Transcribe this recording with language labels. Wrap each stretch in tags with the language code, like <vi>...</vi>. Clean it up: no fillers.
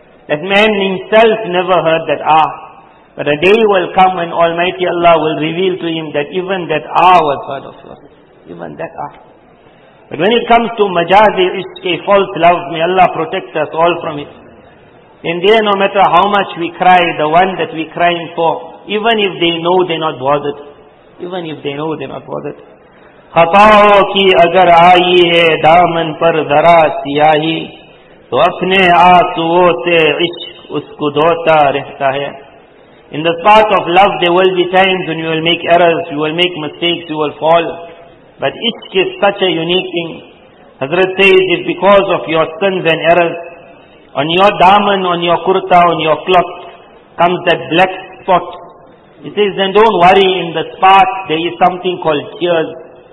<en>That man himself never heard that hour. But a day will come when Almighty Allah will reveal to him that even that hour was heard of him. Even that hour. But when it comes to majazi ishq, a false love, may Allah protect us all from it. In there, no matter how much we cry, the one that we crying for, even if they know, they're not bothered. Even if they know, they're not bothered.</en> <ur>خطاؤں کی اگر آئی ہے دامن پر ذرا سیاہی تو اپنے آنسوؤں سے عشق اس کو دھوتا رہتا ہے.</ur> <en>In the path of love, there will be times when you will make errors, you will make mistakes, you will fall. But عشق is such a unique thing. Hazrat says, if because of your sins and errors, on your dhaman, on your kurta, on your cloth, comes that black spot, he says, then don't worry, in the spark there is something called tears.</en>